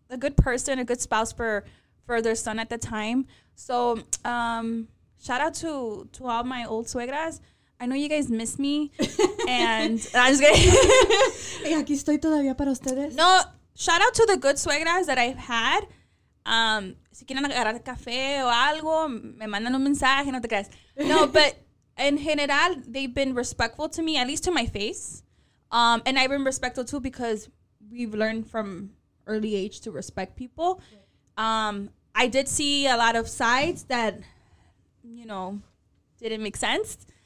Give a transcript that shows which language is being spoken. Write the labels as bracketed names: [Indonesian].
[English] a good spouse for for their son at the time. So shout out to all my old suegras. I know you guys miss me. And I'm just kidding. [Spanish] Aquí estoy todavía para ustedes. [English] No, shout out to the good suegras that I've had. [Spanish] Si quieren agarrar café o algo, me mandan un mensaje, no te creas. [English] No, but in general, they've been respectful to me, at least to my face. And I've been respectful too because we've learned from early age to respect people. I did see a lot of sides that, you know, didn't make sense.